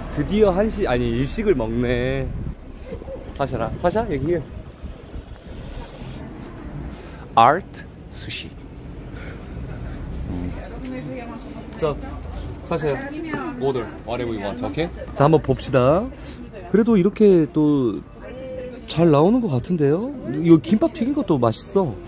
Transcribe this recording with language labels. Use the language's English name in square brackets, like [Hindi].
[Korean] 드디어 한식 아니 일식을 먹네. 사샤라 사샤 여기 아트 수시. 자 사샤 [English] order whatever you want. 오케이. [Korean] 자 한번 봅시다. 그래도 이렇게 또 잘 나오는 것 같은데요. 이거 김밥 튀긴 것도 맛있어.